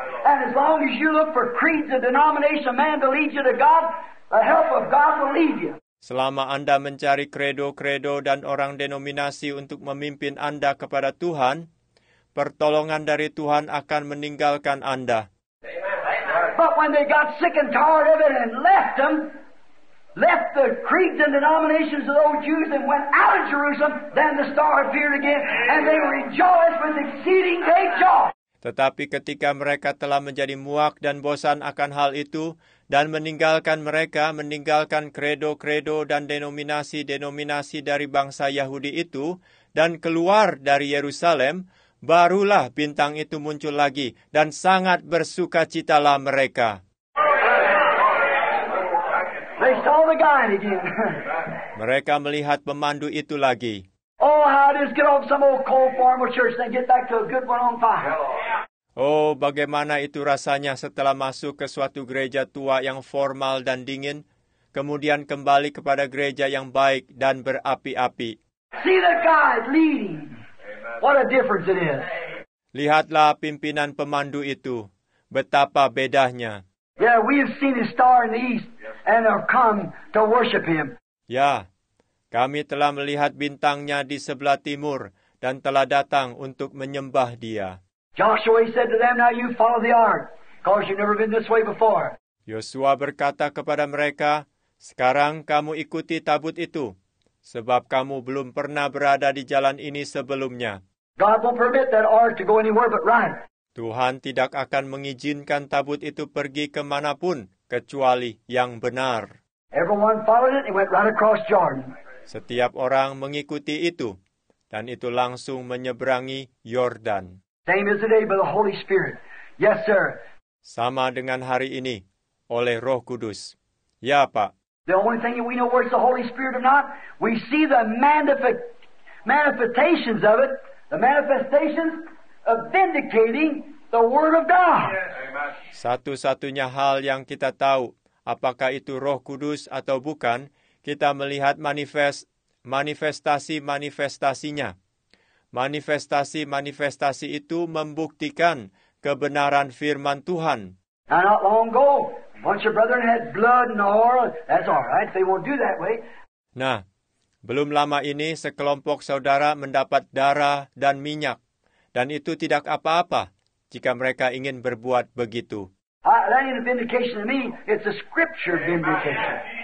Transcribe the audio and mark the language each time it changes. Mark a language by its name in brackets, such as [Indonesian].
[English] And as long as you look for creeds and denominations of man to lead you to God, the help of God will lead you. [Indonesian] Selama Anda mencari kredo-kredo dan orang denominasi untuk memimpin Anda kepada Tuhan, pertolongan dari Tuhan akan meninggalkan Anda. [English] But when they got sick and tired of it and left them, left the creeds and denominations of those Jews and went out of Jerusalem, then the star appeared again and they rejoiced with exceeding great joy. [Indonesian] Tetapi ketika mereka telah menjadi muak dan bosan akan hal itu, dan meninggalkan mereka, meninggalkan kredo-kredo dan denominasi-denominasi dari bangsa Yahudi itu, dan keluar dari Yerusalem, barulah bintang itu muncul lagi, dan sangat bersukacitalah mereka. [English] They saw the guy again. [Indonesian] Mereka melihat pemandu itu lagi. [English] Oh, how it is, get off some old cold formal church and get back to a good one on fire. [Indonesian] Oh, bagaimana itu rasanya setelah masuk ke suatu gereja tua yang formal dan dingin, kemudian kembali kepada gereja yang baik dan berapi-api. [English] See the guide leading. What a difference it is. [Indonesian] Lihatlah pimpinan pemandu itu. Betapa bedanya. [English] Yeah, we have seen his star in the east and have come to worship him. [Indonesian] Ya, kami telah melihat bintangnya di sebelah timur dan telah datang untuk menyembah dia. [English] Joshua, he said to them, now you follow the ark, because you've never been this way before. [Indonesian] Yosua berkata kepada mereka, sekarang kamu ikuti tabut itu, sebab kamu belum pernah berada di jalan ini sebelumnya. [English] God won't permit that ark to go anywhere but right. [Indonesian] Tuhan tidak akan mengizinkan tabut itu pergi kemanapun, kecuali yang benar. [English] Everyone followed it, and went right across Jordan. [Indonesian] Setiap orang mengikuti itu, dan itu langsung menyeberangi Yordan. [English] Same as today by the Holy Spirit. Yes, sir. [Indonesian] Sama dengan hari ini, oleh Roh Kudus. Ya, Pak. [English] The only thing that we know works the Holy Spirit or not, we see the manifestations of it, the manifestations of vindicating the Word of God. Yes. [Indonesian] Satu-satunya hal yang kita tahu, apakah itu Roh Kudus atau bukan, kita melihat manifestasi-manifestasinya. Manifestasi-manifestasi itu membuktikan kebenaran firman Tuhan. [English] Now, not long ago, once your brethren had blood and oil, that's all right, they won't do that way. [Indonesian] Nah, belum lama ini sekelompok saudara mendapat darah dan minyak, dan itu tidak apa-apa jika mereka ingin berbuat begitu. [English] That ain't a vindication to me, it's a scripture vindication.